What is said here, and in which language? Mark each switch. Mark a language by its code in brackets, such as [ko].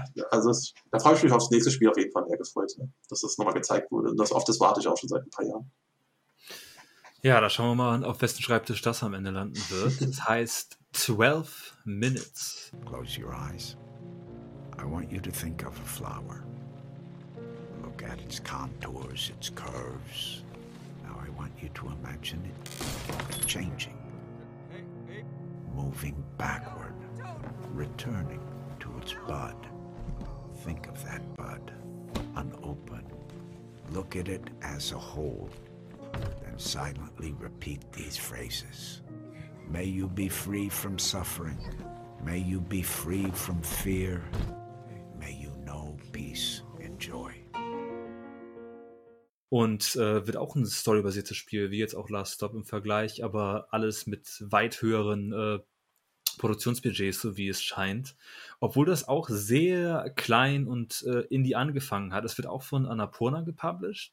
[de] Also da freue ich mich aufs nächste Spiel auf jeden Fall mehr gefreut, dass das nochmal gezeigt wurde. Und auf das warte ich auch schon seit ein paar Jahren. Ja, da schauen wir mal, auf wessen Schreibtisch das am Ende landen wird. Das heißt 12 Minutes. [en] Close your eyes. I want you to think of a flower. Look at its contours, its curves. Now I want you to imagine it changing. Moving backward, returning to its bud. Think of that bud, unopened. Look at it as a whole, then silently repeat these phrases. May you be free from suffering. May you be free from fear. May you know peace and joy. [de] Und wird auch ein storybasiertes Spiel, wie jetzt auch Last Stop im Vergleich, aber alles mit weit höheren Produktionsbudgets, so wie es scheint. Obwohl das auch sehr klein und indie angefangen hat. Es wird auch von Annapurna gepublished.